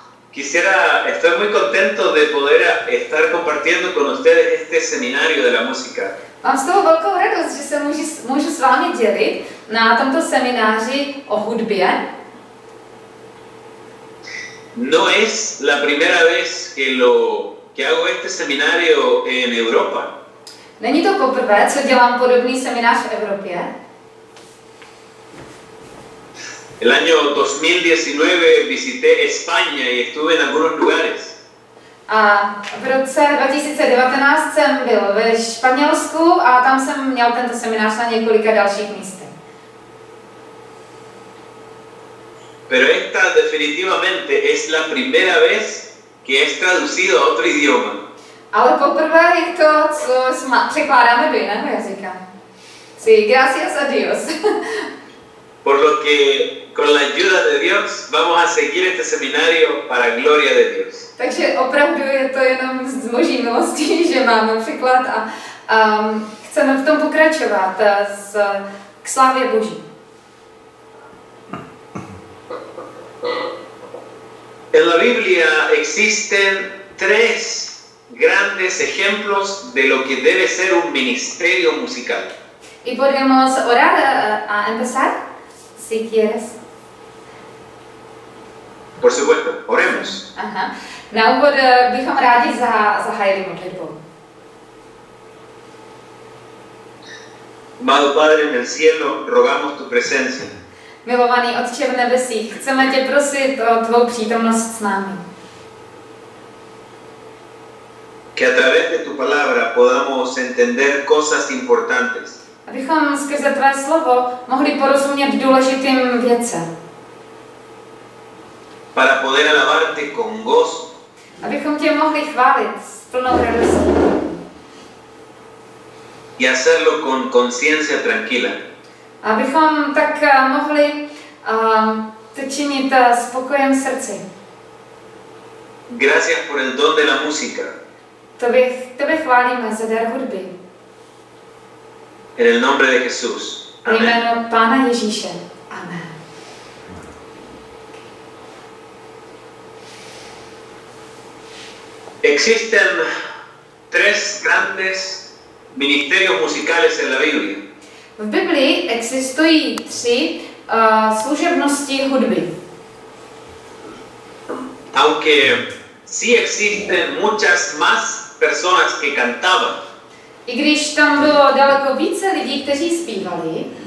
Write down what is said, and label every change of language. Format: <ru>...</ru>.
<es>Quisiera, estoy muy contento de poder estar compartiendo con ustedes este seminario de la música.</es> <cs>Mám z toho velkou radost, že se můžu s vámi dělit na tomto semináři o hudbě.</cs> <es>No es la primera vez que hago este seminario en Europa.</es> <cs>Není to poprvé, co dělám podobný seminář v Evropě.</cs> <es>El año 2019 visité España y estuve en algunos lugares.</es> <cs>A v roce 2019 jsem byl ve Španělsku a tam jsem měl tento seminář na několika dalších místech.</cs> <es>Pero esta definitivamente es la primera vez que es traducido a otro idioma.</es> <cs>Ale poprvé je to, co překládáme do jiného jazyka.</cs> <es>Sí, gracias a Dios. Por lo que con la ayuda de Dios vamos a seguir este seminario para gloria de Dios.</es> <cs>Takže opravdu je to jenom z Boží milosti, že máme překlad a chceme v tom pokračovat k slavě Boží.</cs> <es>En la Biblia existen tres grandes ejemplos de lo que debe ser un ministerio musical. Y podemos orar a empezar, si quieres. Por supuesto, oremos.</es> <cs>Na úvod bychom rádi zahájili modlitbou.</cs> <es>Amado Padre en el cielo, rogamos tu presencia.</es> <cs>Milovaný Otče v nebesích, chceme tě prosit o tvou přítomnost s námi.</cs> <es>Que a través de tu palabra podamos entender cosas importantes.</es> <cs>Abychom skrze tvé slovo mohli porozumět důležitým věcem.</cs> <es>Para poder alabarte con gozo.</es> <cs>Abychom tě mohli chválit s plnou radostí.</cs> <es>Y hacerlo con conciencia tranquila.</es> <cs>Abychom tak mohli to činit s pokojem srdci.</cs> <es>Gracias por el don de la música.</es> <cs>Tebe chválíme za dar hudby.</cs> <es>En el nombre de Jesús.</es> <cs>Amen. Jméno Pána Ježíše. Amen.</cs> <es>Existen tres grandes ministerios musicales en la Biblia.</es> <cs>V Biblii existují tři služebnosti hudby.</cs> <es>Aunque sí existen muchas más personas que cantaban.</es> <cs>I když tam bylo daleko více lidí, kteří zpívali.</cs>